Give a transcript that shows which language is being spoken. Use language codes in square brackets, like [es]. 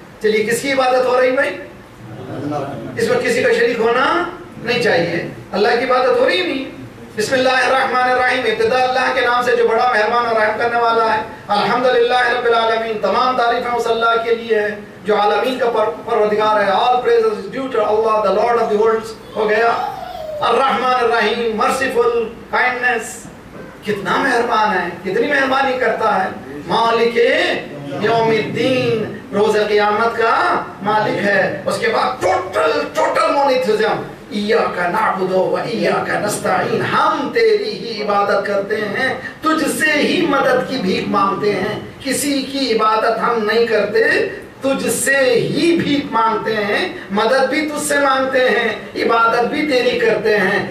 [ur] چلیے، کس کی عبادت ہو رہی بھائی؟ اس میں کسی کا شریک ہونا نہیں چاہیے، اللہ کی عبادت ہو رہی نہیں. [ar] بسم اللہ الرحمن الرحیم، [ur] ابتدا اللہ کے نام سے جو بڑا مہربان اور رحم کرنے والا ہے. [ar] الحمدللہ رب العالمین، [ur] تمام تعریفیں اس اللہ کے لیے ہیں جو عالمین کا پروردگار ہے. [en] All praise is due to Allah, the Lord of the worlds. [ur] ہو گیا. [ar] الرحمن الرحیم، [en] merciful, kindness. [ur] کتنا مہربان ہے، کتنی مہربانی کرتا ہے. [ar] مالک یوم الدین، [ur] روز قیامت کا مالک ہے. اس کے بعد [en] total monotheism. [ar] ایاک نعبد و ایاک نستعین، [ur] ہم تیری ہی عبادت کرتے ہیں، تجھ سے ہی مدد کی بھیک مانگتے ہیں، کسی کی عبادت ہم نہیں کرتے، تجھ سے ہی بھیک مانگتے ہیں، مدد بھی تجھ سے مانگتے ہیں، عبادت بھی تیری کرتے ہیں.